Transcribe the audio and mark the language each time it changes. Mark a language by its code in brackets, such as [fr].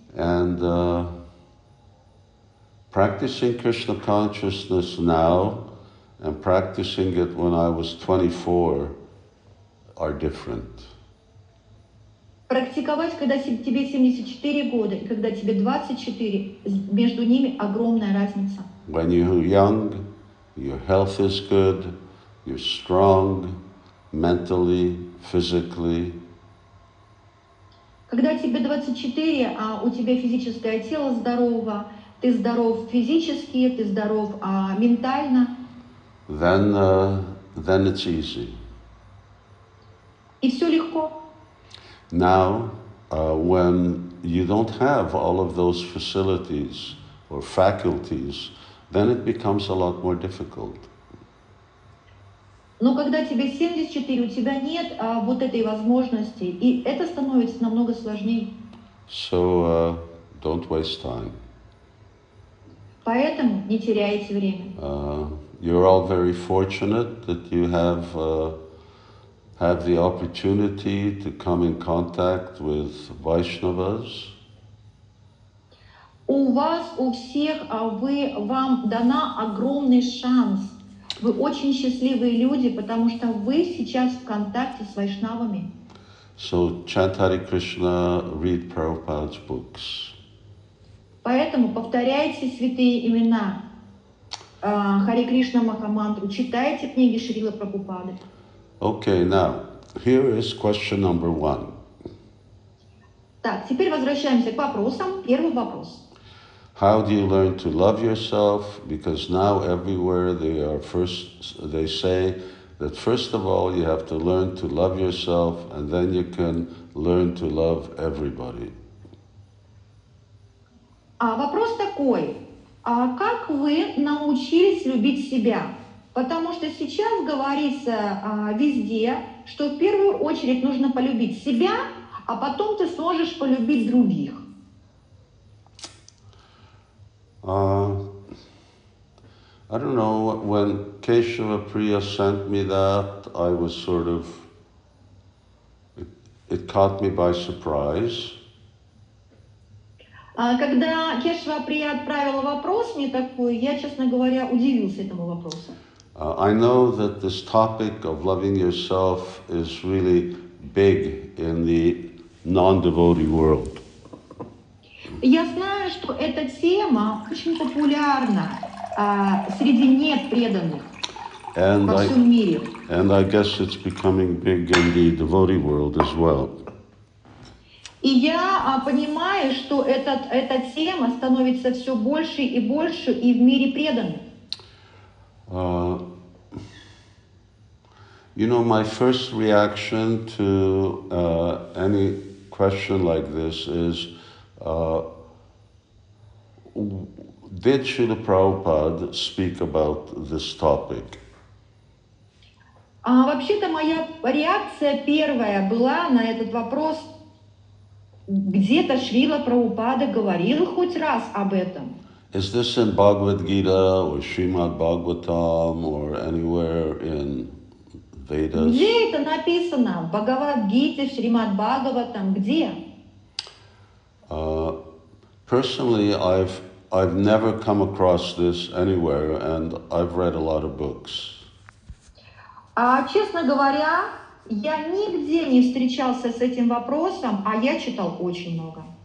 [en] And practicing Krishna consciousness now and practicing it when I was 24 are different. [ru] Практиковать, когда тебе 74 года, и когда тебе 24, между ними огромная разница. [en] When you're young, your health is good, you're strong, mentally, physically. [ru] Когда тебе 24, а у тебя физическое тело здорово, ты здоров физически, ты здоров ментально. [en] Then it's easy. [ru] И все легко. [en] Now, when you don't have all of those facilities or faculties, then it becomes a lot more difficult. [ru] Но когда тебе 74, у тебя нет вот этой возможности, и это становится намного сложнее. [en] So, don't waste time. [ru] Поэтому не теряйте время. [en] You're all very fortunate that you have the opportunity to come in contact with Vaishnavas. [ru] У вас, у всех, вы, вам дана огромный шанс. Вы очень счастливые люди, потому что вы сейчас в контакте с вайшнавами. [en] So chant Hare Krishna, read Prabhupada's books. [ru] Поэтому повторяйте святые имена Hare Krishna Махамантру, читайте книги Шрилы Прабхупады. [en] Okay, now, here is question number one. [ru] Так, теперь возвращаемся к вопросам. Первый вопрос. [en] How do you learn to love yourself? Because now everywhere they say that first of all you have to learn to love yourself and then you can learn to love everybody. [ru] А вопрос такой: а как вы научились любить себя? Потому что сейчас говорится везде, что в первую очередь нужно полюбить себя, а потом ты сможешь полюбить других. [en] I don't know, when Keshava Priya sent me that, I was sort of, it caught me by surprise. [ru] Когда Кешава Прия отправила вопрос мне такой, я, честно говоря, удивился этому вопросу. [en] I know that this topic of loving yourself is really big in the non-devotee world. [ru] Я знаю, что эта тема очень популярна среди непреданных во всем мире. [en] And I guess it's becoming big in the devotee world as well. [ru] И я понимаю, что эта тема становится все больше и больше и в мире преданных. [en] You know, my first reaction to any question like this is, did Srila Prabhupada speak about this topic? [ru] Вообще-то моя реакция первая была на этот вопрос, где-то Шрила Прабхупада говорил хоть раз об этом. [en] Is this in Bhagavad Gita or Srimad Bhagavatam or anywhere in Vedas? [ru] Где это написано? В Бхагавад Гите, Шримад Бхагаватам, где? [en] Personally, I've never come across this anywhere, and I've read a lot of books. [ru] Честно говоря, я нигде не встречался с этим вопросом, а я читал очень много.